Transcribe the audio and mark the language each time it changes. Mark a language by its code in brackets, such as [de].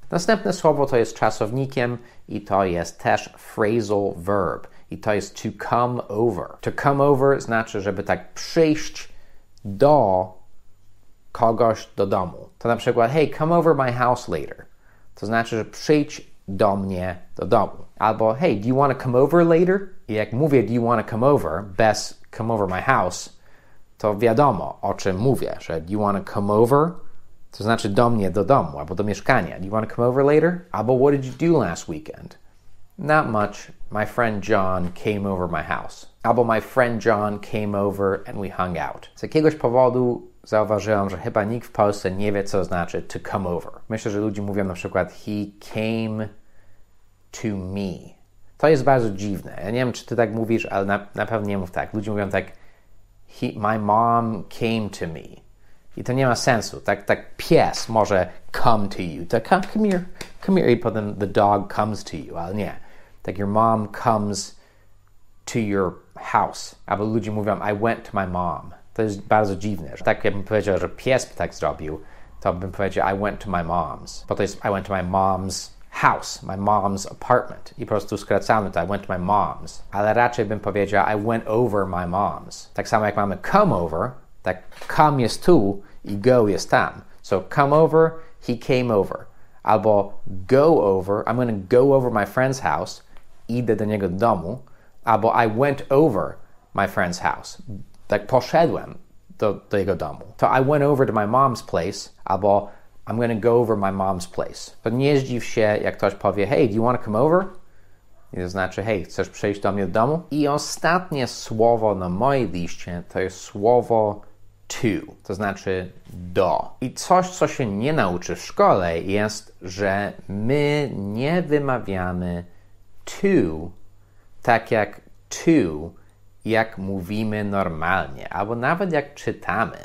[pl] Następne słowo to jest czasownikiem i to jest też phrasal verb. I to jest [en] to come over. To come over [pl] znaczy, żeby tak przyjść do kogoś do domu. To na przykład, [en] hey, come over my house later. [pl] To znaczy, że przyjdź do mnie do domu. [en] Albo, hey, do you want to come over later? [pl] I jak mówię, [en] do you want to come over, [pl] bez [en] come over my house, [pl] to wiadomo, o czym mówię, że [en] do you want to come over? [pl] To znaczy do mnie do domu, albo do mieszkania. [en] Do you want to come over later? Albo, what did you do last weekend? Not much. My friend John came over my house. Albo my friend John came over and we hung out. [pl] Z jakiegoś powodu zauważyłem, że chyba nikt w Polsce nie wie, co znaczy to come over. Myślę, że ludzie mówią na przykład [en] he came to me. [pl] To jest bardzo dziwne. Ja nie wiem, czy ty tak mówisz, ale na pewno nie mów tak. Ludzie mówią tak [en] my mom came to me. [pl] I to nie ma sensu. Tak pies może [en] come to you. Tak, come here. [pl] I potem [en] the dog comes to you. [pl] Ale nie. [en] Tak, your mom comes to your house. [pl] Albo ludzie mówią, [en] I went to my mom. [pl] To jest bardzo dziwne. Że tak jakbym powiedział, że pies by tak zrobił, to bym powiedział, [en] I went to my mom's. [pl] Bo to jest, [en] I went to my mom's house, my mom's apartment. [pl] I po prostu skracamy to, [en] I went to my mom's. [pl] Ale raczej bym powiedział, [en] I went over my mom's. [pl] Tak samo jak mamy come over, tak come jest tu i go jest tam. [en] So come over, he came over. Albo go over, I'm going to go over my friend's house, [pl] idę do niego do domu. Albo [en] I went over my friend's house, [pl] tak poszedłem do jego domu. [en] To I went over to my mom's place, albo I'm going to go over my mom's place. [pl] To nie zdziw się, jak ktoś powie, [en] hey, do you want to come over? [pl] I to znaczy, hey, chcesz przejść do mnie do domu? I ostatnie słowo na mojej liście to jest słowo to znaczy do. I coś, co się nie nauczy w szkole jest, że my nie wymawiamy to tak jak to, jak mówimy normalnie, albo nawet jak czytamy.